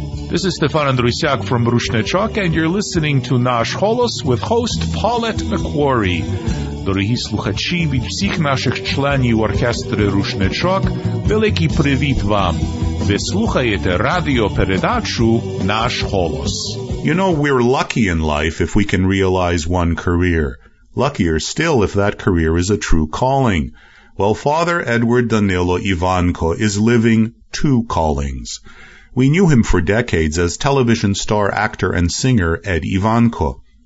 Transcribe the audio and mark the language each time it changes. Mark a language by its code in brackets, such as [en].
[en] This is Stefan Andrusiak from Rushnechok, and you're listening to Nash Holos with host Paulette McQuarrie. [uk] Дорогі слухачі, від всіх наших членів оркестри Рушничок, великий привіт вам. Ви слухаєте радіопередачу «Наш голос». [en] You know, we're lucky in life if we can realize one career. Luckier still if that career is a true calling. Well, Father Edward Danilo Іванко is living two callings. We knew him for decades as television star, actor, and singer Ed Іванко.